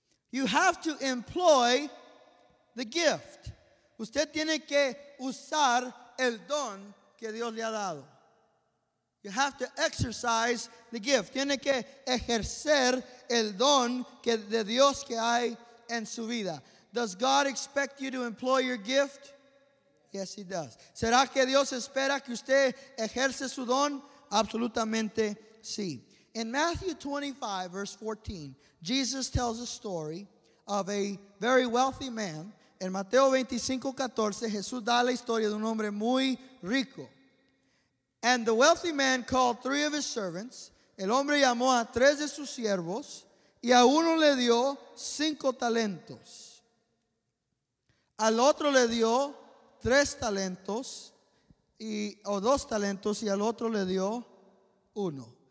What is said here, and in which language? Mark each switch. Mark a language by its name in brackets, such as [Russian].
[English] You have to employ the gift. [Spanish] Usted tiene que usar el don que Dios le ha dado. [English] You have to exercise the gift. [Spanish] Tiene que ejercer el don que de Dios que hay en su vida. [English] Does God expect you to employ your gift? Yes, he does. [Spanish] ¿Será que Dios espera que usted ejerce su don? Absolutamente sí. [English] In Matthew 25, verse 14, Jesus tells a story of a very wealthy man. [Spanish] En Mateo 25, 14, Jesús da la historia de un hombre muy rico. [English] And the wealthy man called three of his servants. [Spanish] El hombre llamó a tres de sus siervos y a uno le dio cinco talentos. Al otro le dio tres talentos, dos talentos, y al otro le dio uno.